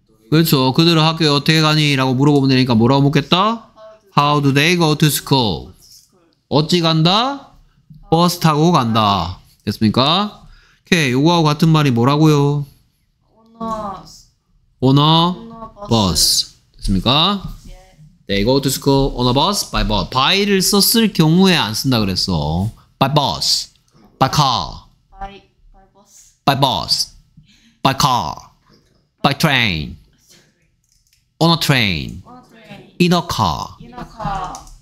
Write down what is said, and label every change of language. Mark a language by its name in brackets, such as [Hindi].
[Korean] 그렇죠. 그들 학교에 어떻게 가니? 라고 물어보면 되니까 뭐라고 묻겠다? [English] How do they go to school? [Korean] 어찌 간다? 버스 타고 간다. 됐습니까? 오케이. 요거하고 같은 말이 뭐라고요? [English] On a bus. [Korean] 됐습니까? [English] They go to school on a bus, by bus. [Korean] by를 썼을 경우에 안 쓴다 그랬어. [English] by bus, by car, by bus, by car, by train, on a train, in a car. in a car.